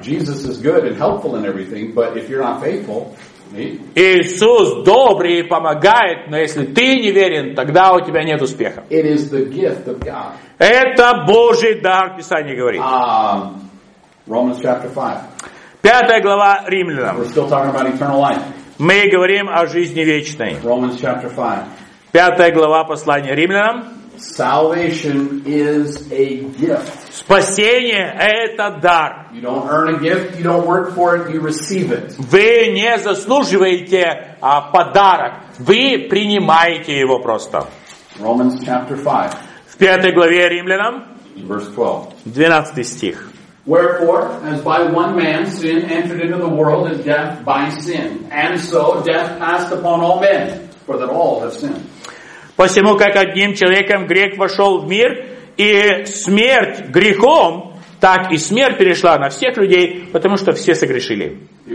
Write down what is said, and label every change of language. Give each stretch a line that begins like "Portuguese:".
English: Jesus is good and helpful in everything, but if you're not faithful,
Russian: Иисус добрый и помогает, но если ты не верен, тогда у тебя нет успеха.
English: It is the gift of God.
Russian: Это Божий дар, Писание говорит.
English: Romans chapter 5.
Russian: Пятая глава Римлянам.
English: We're still talking about eternal life.
Russian: Мы говорим о жизни вечной.
English: Romans chapter 5.
Russian: Пятая глава послания Римлянам.
English: Salvation is a gift.
Russian: Спасение – это дар.
English: You don't earn a gift, you don't work for it, you receive it.
Russian: Вы не заслуживаете подарок. Вы принимаете его просто.
English: Romans chapter 5.
Russian: В пятой главе Римлянам.
English: Verse 12.
Russian: 12 стих.
English: Wherefore, as by one man sin entered into the world, and death by sin. And so death passed upon all men, for that all have sinned.
Russian: Посему, как одним человеком грех вошел в мир, и смерть грехом, так и смерть перешла на всех людей, потому что все согрешили.